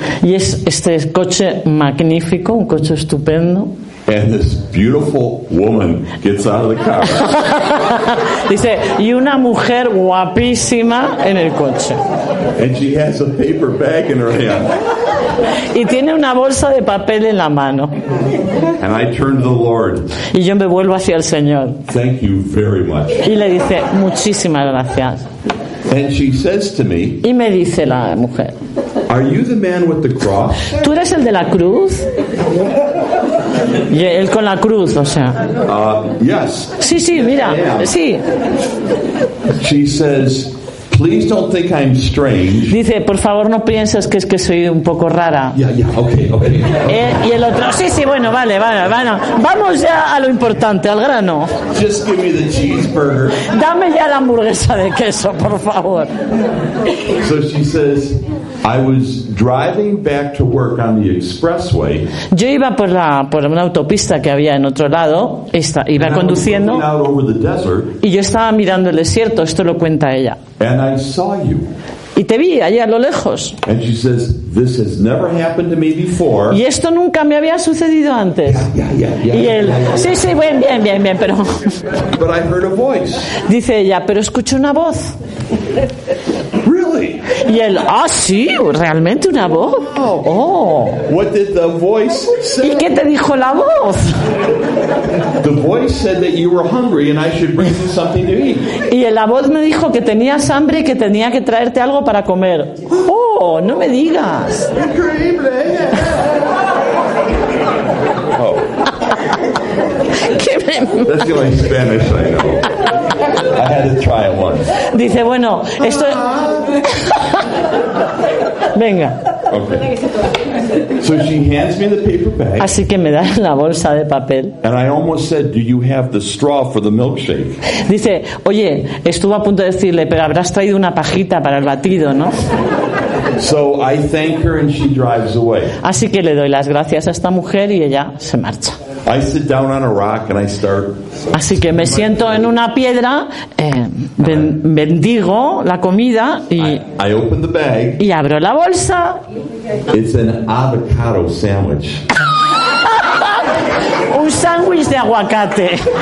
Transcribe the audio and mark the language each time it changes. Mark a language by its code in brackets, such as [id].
[es] Y es este coche magnífico, un coche estupendo. [en] And this beautiful woman gets out of the car. [es] Dice, y una mujer guapísima en el coche. [en] And she has a paper bag in her hand. [es] Y tiene una bolsa de papel en la mano. [en] And I turn to the Lord. [es] Y yo me vuelvo hacia el Señor. [en] Thank you very much. [es] Y le dice, muchísimas gracias. [en] And she says to me, [es] y me dice la mujer, [en] are you the man with the cross? [es] ¿Tú eres el de la cruz? Y él con la cruz, o sea. [en] Yes. [es] Sí, sí, mira, sí. [en] She says, please don't think I'm strange. [es] Dice, por favor, no pienses que es que soy un poco rara. [en] Yeah, okay. [es] Y el otro, sí, sí, bueno, vale, vale, bueno, vamos ya a lo importante, al grano. [en] Just give me the cheeseburger. [es] Dame ya la hamburguesa de queso, por favor. [en] So she says, I was driving back to work on the expressway. [es] Yo iba por una autopista que había en otro lado. Iba conduciendo. [en] And I was looking out over the desert, [es] y yo estaba mirando el desierto. Esto lo cuenta ella. [en] And I saw you. [es] Y te vi allí a lo lejos. [en] And she says, this has never happened to me before. [es] Y esto nunca me había sucedido antes. [en] Yeah. [es] Sí, sí, bien, pero. [en] But I heard a voice. [es] Dice ella, pero escuché una voz. Y él, ah, sí, realmente una voz. Oh. [en] What did the voice say? [es] ¿Y qué te dijo la voz? [en] The voice said that you were hungry and I should bring you something to eat. [es] Y la voz me dijo que tenías hambre y que tenía que traerte algo para comer. Oh, no me digas. Increíble. Oh. [en] That's the only Spanish I know. I had to try it once. [es] Dice, bueno, esto. Venga. [en] Okay. So she hands me the paper bag. [es] Así que me da la bolsa de papel. [en] And I almost said, do you have the straw for the milkshake? [es] Dice, oye, estuvo a punto de decirle, pero habrás traído una pajita para el batido, ¿no? [en] So I thank her and she drives away. [es] Así que le doy las gracias a esta mujer y ella se marcha. [en] I sit down on a rock and I start. [es] Así que me siento en una piedra, bendigo la comida y. [en] I open the bag. [es] Y abro la bolsa. [en] It's an avocado sandwich. [es] Un sándwich de aguacate.